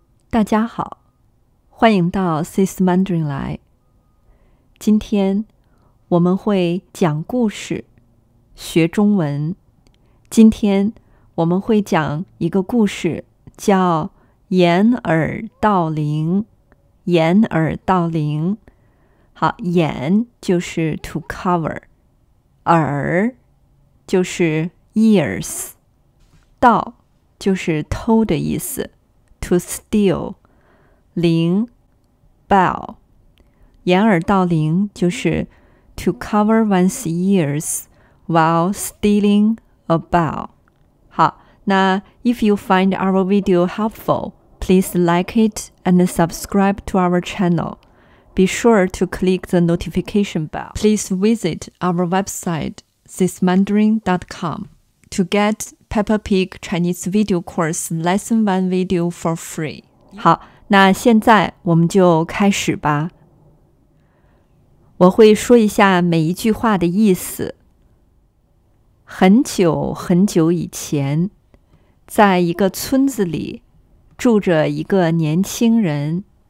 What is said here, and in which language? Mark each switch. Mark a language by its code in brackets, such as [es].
[zh] 大家好，欢迎到 SyS Mandarin 来。今天我们会讲故事，学中文。今天我们会讲一个故事，叫《掩耳盗铃》。掩耳盗铃，好，掩就是 [en] to cover， [zh] 耳就是 [en] ears， [zh] 盗就是偷的意思 ， [en] to steal， [zh] 铃 [en] bell， [zh] 掩耳盗铃就是 [en] to cover one's ears while stealing a bell。好，那 if you find our video helpful。 Please like it and subscribe to our channel. Be sure to click the notification bell. Please visit our website, sysmandarin.com, to get Peppa Pig Chinese Video Course Lesson 1 video for free. [zh] 好，那现在我们就开始吧。我会说一下每一句话的意思。很久很久以前，在一个村子里住着一个年轻人。